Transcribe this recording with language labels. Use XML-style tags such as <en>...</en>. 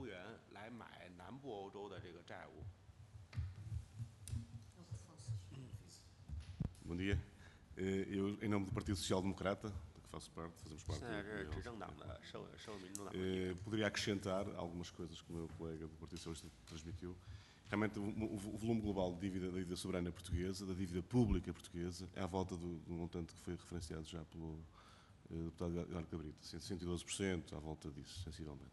<zh>用他们得到的欧元来买南部欧洲的这个债务。</zh> <pt>Bom dia. Eu, em nome do Partido Social Democrata, de que faço parte, fazemos parte.</pt> <zh>现在是执政党的社会民主党。</zh> <pt>Poderia acrescentar algumas coisas que o meu colega do Partido Socialista transmitiu. Realmente, o volume global de dívida da dívida soberana portuguesa, da dívida pública portuguesa, é à volta do montante que foi referenciado já pelo deputado Eduardo Cabrita, 112% à volta disso, sensivelmente.</pt>